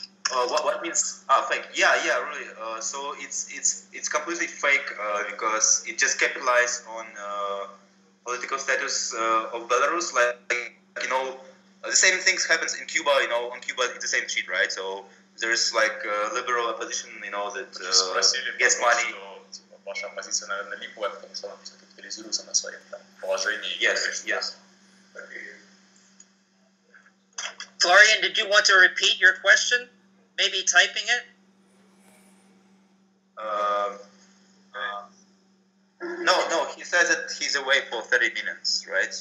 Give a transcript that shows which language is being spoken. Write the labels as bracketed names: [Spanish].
[English] So it's completely fake because it just capitalized on political status of Belarus. Like you know, the same things happens in Cuba. You know, on Cuba it's the same shit, right? So there's like liberal opposition, you know, that gets money. [Russian] Ваша оппозиция, наверное, либо это капитализируется на своем положении. [English] Yes. Yes. Florian, did you want to repeat your question? Maybe typing it. No, he says that he's away for 30 minutes, right?